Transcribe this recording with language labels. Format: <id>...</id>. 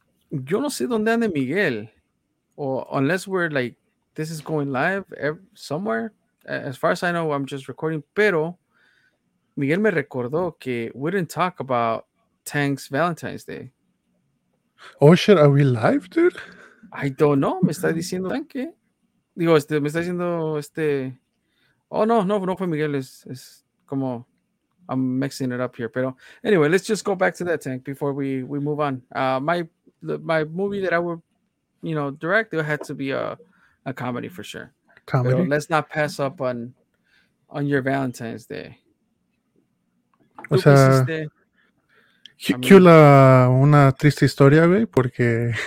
<es>Yo no sé dónde anda Miguel,</es> <en>or unless we're like, this is going live somewhere. As far as I know, I'm just recording,</en> <es>pero Miguel me recordó que</es> <en>we didn't talk about Tank's Valentine's Day. Oh, shit, are we live, dude? I don't know.</en> <es>Me está diciendo Tank. Digo, me está diciendo Oh, no fue Miguel. Es como</es> <en>I'm mixing it up here. But anyway, let's just go back to that tank before we move on. My movie that I would, you know, direct, it had to be a comedy for sure.</en> <es>Comedy. Pero</es> <en>let's not pass up on your Valentine's Day.</en> <es>O sea, Hicula, una triste historia, güey, porque...</es>